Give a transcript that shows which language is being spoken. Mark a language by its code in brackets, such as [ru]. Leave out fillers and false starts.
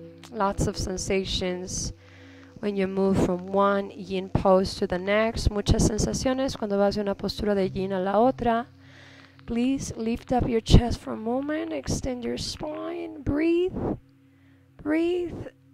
[en] Lots of sensations when you move from one yin pose to the next. [es] Muchas sensaciones cuando vas de una postura de yin a la otra. [en] Please lift up your chest for a moment. Extend your spine. Breathe. Breathe.